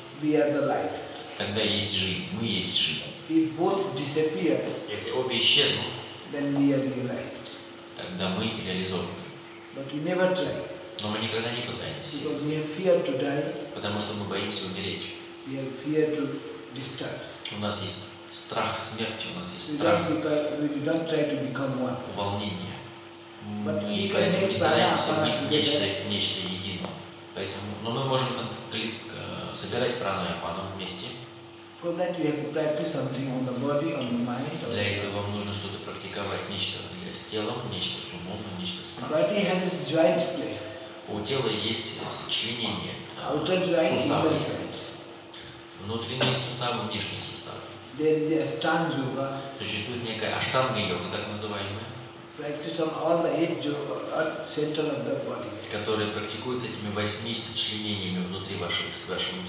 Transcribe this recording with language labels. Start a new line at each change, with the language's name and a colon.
English: we are the life.
Russian: Тогда есть жизнь, мы есть жизнь.
English: If both disappear,
Russian: если обе исчезнут,
English: then we are realized.
Russian: Да, когда мы реализовываем.
English: But we never try.
Russian: Но мы никогда не пытаемся.
English: Because we fear to die.
Russian: Потому что мы боимся умереть.
English: We have fear to disturbs.
Russian: У нас есть страх смерти, у нас есть страх.
English: We don't try to become one.
Russian: Волнение. But мы поэтому не стараемся быть нечто единым. Поэтому, но мы можем собирать прану и апану вместе.
English: For that you have to practice something on the body, on the mind.
Russian: Для этого вам нужно что-то практиковать, нечто с телом, нечто с умом, нечто с праной.
English: Body has this joint place.
Russian: У тела есть сочленение.
English: Outer joint, inner joint.
Russian: Внутренние суставы, внешние суставы.
English: There is the Ashtanga yoga.
Russian: Существует некая Ashtanga йога, так называемая.
English: Practice on all the eight yoga, center of the body.
Russian: Которые практикуются этими восьми сочленениями внутри вашего тела.